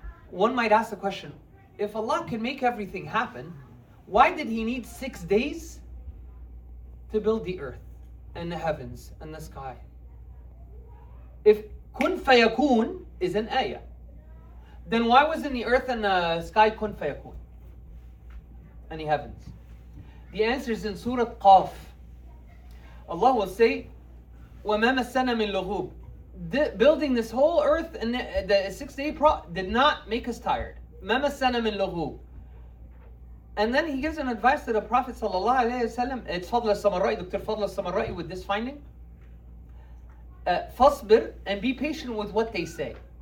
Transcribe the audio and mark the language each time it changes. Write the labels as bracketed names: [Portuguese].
[English] One might ask the question, if Allah can make everything happen, why did He need 6 days to build the earth and the heavens and the sky? If kun fayakun is an ayah, then why wasn't the earth and the sky kun fayakun? Any heavens? The answer is in Surah Qaf. Allah will say, [Arabic] وَمَا مَسَّنَا مِنْ لُغُوبِ. [English] Building this whole earth in the 6 day did not make us tired. [Arabic] مَا مَسَّنَا مِنْ لُغُوبِ. [English] And then He gives an advice to the Prophet sallallahu alayhi wa sallam. It's Fadl al-Samarra'i, Dr. Fadl al-Samarra'i with this finding. فَصْبِرْ, and be patient with what they say.